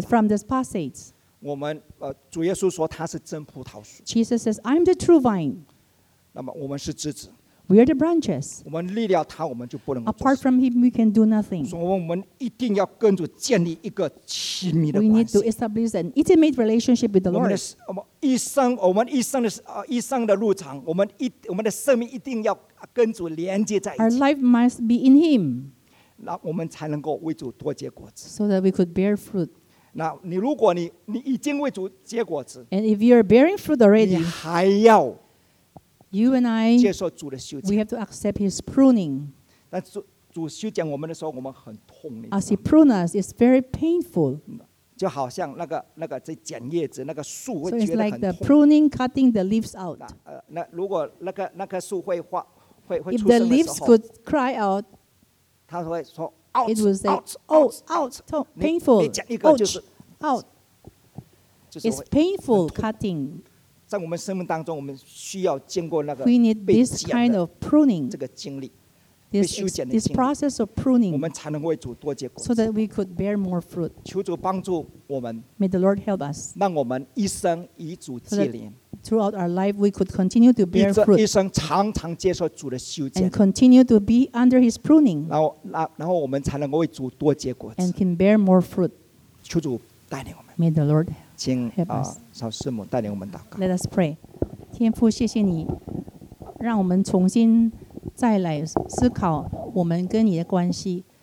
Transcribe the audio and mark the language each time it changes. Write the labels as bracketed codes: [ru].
[en] But from this passage, [zh] 我们主耶稣说他是真葡萄树。 [en] Jesus says, "I'm the true vine." [zh] 那么我们是枝子。 [en] We are the branches. [zh] 我们离掉他，我们就不能。 [en] Apart from him, we can do nothing. [zh] 所以我们一定要跟主建立一个亲密的关系。 [en] We need to establish an intimate relationship with the Lord. [zh] 我们一生的路程，我们的生命一定要跟主连接在一起。 [en] Our life must be in him. [zh] 那我们才能够为主多结果子。 [en] So that we could bear fruit. [zh] 那你如果你已经为主结果子 [en] ，and if you are bearing fruit already, [zh] 你还要。 [en] You and I, we have to accept His pruning. [zh] 但主修剪我们的时候，我们很痛。 [en] As He prunes us, it's very painful. [zh] 就好像那个在剪叶子，那个树会觉得很痛。 [en] So it's like the pruning, cutting the leaves out. [zh] 那如果那棵树会发会出声的时候， [en] If the leaves could cry out, [zh] 他会说 [en] out, it would say, out, out, painful. [zh] 你剪一个就是 [en] out. It's painful cutting. [zh] 在我们生命当中，我们需要经过那个被剪的这个经历，被修剪的经历。 [en] We need this kind of pruning, this process of pruning, [zh] 我们才能为主多结果子。 [en] So that we could bear more fruit. [zh] 求主帮助我们。 [en] May the Lord help us. [zh] 让我们一生与主结连。 [en] Throughout our life, we could continue to bear fruit. [zh] 一生常常接受主的修剪。 [en] And continue to be under His pruning. [zh] 然后我们才能够为主多结果子。 [en] And can bear more fruit. [zh] 求主带领我们。 [en] May the Lord. [zh] 请 [en] Help us. [zh] 小师母带领我们祷告。 [en] Let us pray. [zh] 天父，谢谢你，让我们重新再来思考我们跟你的关系。